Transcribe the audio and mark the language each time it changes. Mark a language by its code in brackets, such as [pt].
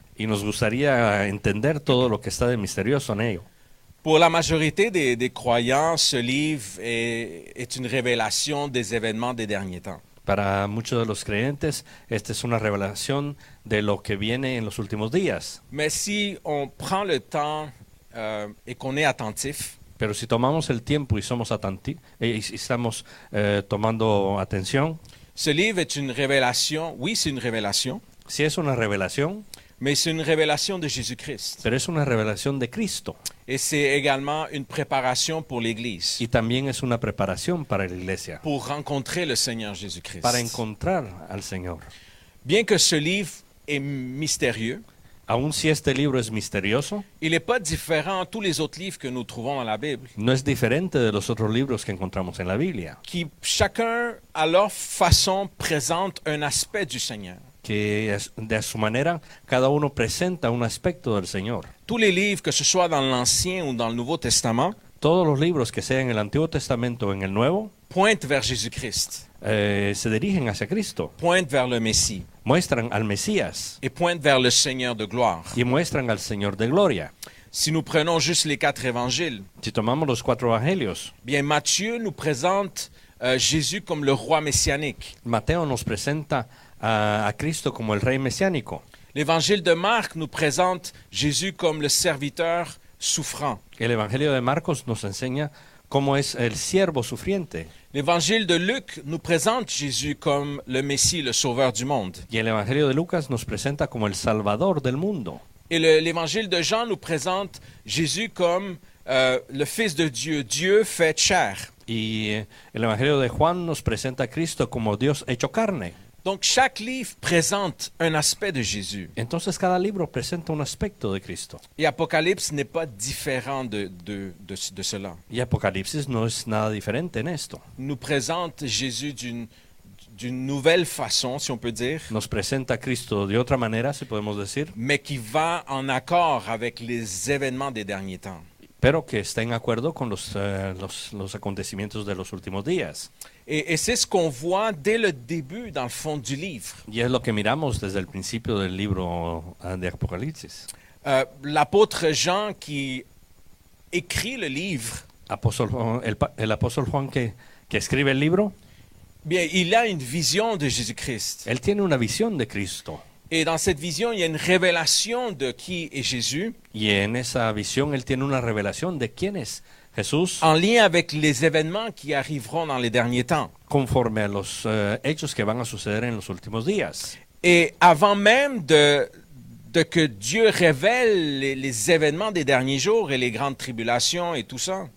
[es] Y nos gustaría entender todo lo que está de misterioso en ello. [fr] Pour la majorité des croyants, ce livre est une révélation des événements des derniers temps. [es] Para muchos de los creyentes, esta es una revelación de lo que viene en los últimos días. [fr] Mais si on prend le temps et qu'on est attentif, [es] pero si tomamos el tiempo y somos tomando atención, [fr] ce livre est une révélation. Oui, c'est une révélation. [es] Si es una revelación, [fr] mais c'est une révélation de Jésus-Christ. [es] Pero es una revelación de Cristo. [fr] Et c'est également une préparation pour l'Église. [es] Y también es una preparación para la iglesia. [fr] Pour rencontrer le Seigneur Jésus-Christ. [es] Para encontrar al Señor. [fr] Bien que ce livre est mystérieux, [es] aun si este libro es misterioso, [fr] il n'est pas différent de tous les autres livres que nous trouvons dans la Bible. [es] No es diferente de los otros libros que encontramos en la Biblia. [fr] Qui chacun à leur façon présente un aspect du Seigneur. [es] Que de su manera cada uno presenta un aspecto del Señor. [fr] Tous les livres, que ce soit dans l'Ancien ou dans le Nouveau Testament, [es] todos los libros que sean en el Antiguo Testamento o en el Nuevo, [fr] pointent vers Jésus-Christ. [es] Se dirigen hacia Cristo. [fr] Pointent vers le Messie. [es] Muestran al Mesías. [fr] Et pointent vers le Seigneur de gloire. [es] Y muestran al Señor de gloria. [fr] Si nous prenons juste les quatre évangiles, [es] si tomamos los cuatro evangelios, [fr] bien Matthieu nous présente Jésus comme le roi messianique. [es] Mateo nos presenta a Cristo como el rey mesiánico. [fr] L'évangile de Marc nous présente Jésus comme le serviteur souffrant. [es] El evangelio de Marcos nos enseña cómo es el siervo sufriente. [fr] L'évangile de Luc nous présente Jésus comme le Messie, le sauveur du monde. [es] Y el evangelio de Lucas nos presenta como el salvador del mundo. [fr] Et l'évangile de Jean nous présente Jésus comme le fils de Dieu, Dieu fait chair. [es] Y el evangelio de Juan nos presenta a Cristo como Dios hecho carne. [fr] Donc chaque livre présente un aspect de Jésus. [es] Entonces cada libro presenta un aspecto de Cristo. [fr] Et Apocalypse n'est pas différent de cela. [es] Y Apocalipsis no es nada diferente en esto. [fr] Nous présente Jésus d'une nouvelle façon, si on peut dire. [es] Nos presenta a Cristo de otra manera, si podemos decir. [fr] Mais qui va en accord avec les événements des derniers temps. [es] Pero que está en acuerdo con los acontecimientos de los últimos días. [fr] Et c'est ce qu'on voit dès le début dans le fond du livre. [es] Y es lo que miramos desde el principio del libro de Apocalipsis. [fr] L'apôtre Jean qui écrit le livre. [es] El apóstol Juan que escribe el libro. [fr] Bien, il a une vision de Jésus-Christ. [es] Él tiene una visión de Cristo. [fr] Et dans cette vision, il y a une révélation de qui est Jésus. [es] Y en esa visión él tiene una revelación de quién es Jesús, [fr] en lien avec les événements qui arriveront dans les derniers temps, [es] conforme a los hechos que van a suceder en los últimos días. [fr] Et avant même de que Dieu révèle les événements des derniers jours et les grandes tribulations et tout ça.